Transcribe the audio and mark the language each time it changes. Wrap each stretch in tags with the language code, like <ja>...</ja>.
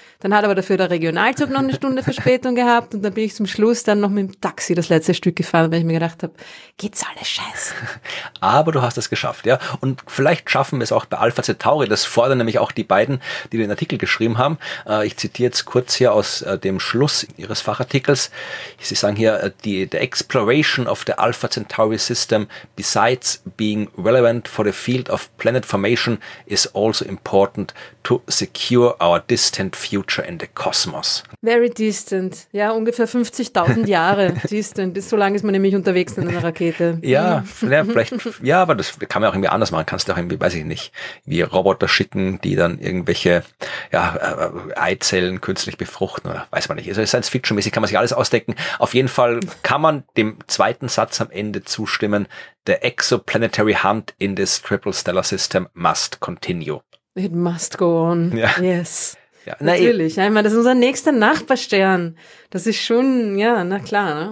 <de>Dann hat aber dafür der Regionalzug noch 1 Stunde Verspätung gehabt und dann bin ich zum Schluss dann noch mit dem Taxi das letzte Stück gefahren, weil ich mir gedacht habe, geht's alles scheiße. Aber du hast es geschafft, ja. Und vielleicht schaffen wir es auch bei Alpha Centauri. Das fordern nämlich auch die beiden, die den Artikel geschrieben haben. Ich zitiere jetzt kurz hier aus dem Schluss ihres Fachartikels. Sie sagen hier,</de> <en>the exploration of the Alpha Centauri system, besides being relevant for the field of planet formation, is also important to secure our distant future. In the cosmos. Very distant.</en> <de>Ja, ungefähr 50.000 Jahre distant. So lange ist man nämlich unterwegs in einer Rakete. Ja, vielleicht. Ja, aber das kann man auch irgendwie anders machen. Kannst du auch irgendwie, weiß ich nicht, wie Roboter schicken, die dann irgendwelche Eizellen künstlich befruchten oder weiß man nicht. Also Science-Fiction-mäßig kann man sich alles ausdenken. Auf jeden Fall kann man dem zweiten Satz am Ende zustimmen.</de> <en>The exoplanetary hunt in this triple stellar system must continue. It must go on.</en> <de>Ja.</de> <en>Yes.</en> <de>Ja, natürlich. Ja, ich meine, das ist unser nächster Nachbarstern. Das ist schon, ja, na klar. Ne?</de>